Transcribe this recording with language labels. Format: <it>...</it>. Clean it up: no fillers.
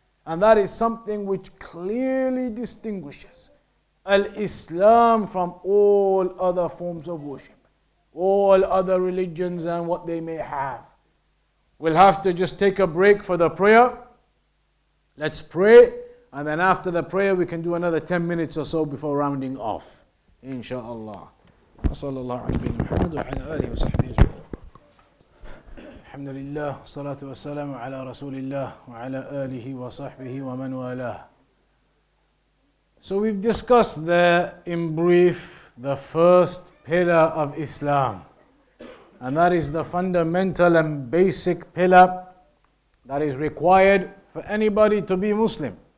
<en>And that is something which clearly distinguishes al-Islam from all other forms of worship, all other religions and what they may have. We'll have to just take a break for the prayer. Let's pray, And then after the prayer, we can do another 10 minutes or so before rounding off.</en> <ar>Inshallah. صلى الله على نبينا محمد وعلى آله وصحبه أجمعين. الحمد لله والصلاة والسلام على رسول الله وعلى آله وصحبه ومن والاه.</ar> <en>So we've discussed there in brief the first pillar of Islam, and that is the fundamental and basic pillar that is required for anybody to be Muslim.</en>